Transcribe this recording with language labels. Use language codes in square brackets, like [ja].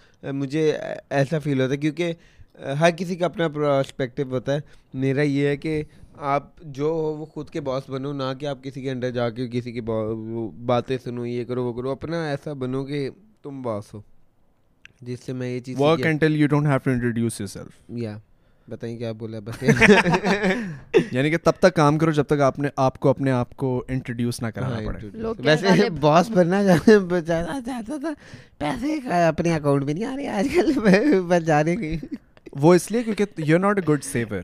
[ur] مجھے ایسا فیل ہوتا ہے کیونکہ ہر کسی کا اپنا پرسپیکٹو ہوتا ہے. میرا یہ ہے کہ آپ جو ہو وہ خود کے باس بنو, نہ کہ آپ کسی کے انڈر جا کے کسی کی باتیں سنو, یہ کرو وہ کرو. اپنا ایسا بنو کہ تم باس ہو, جس سے میں یہ چیز [en] work until you don't have to introduce yourself. Yeah. [ur] بتائیں کیا بولا بس, یعنی کہ تب تک کام کرو جب تک آپ نے آپ کو اپنے آپ کو انٹروڈیوس نہ کرانا پڑے. ویسے باس بننا چاہتا تھا, پیسے اپنے اکاؤنٹ میں نہیں آ رہے آج کل, میں بن جا رہے گی وہ اس لیے کیونکہ [en] You are not a good saviour.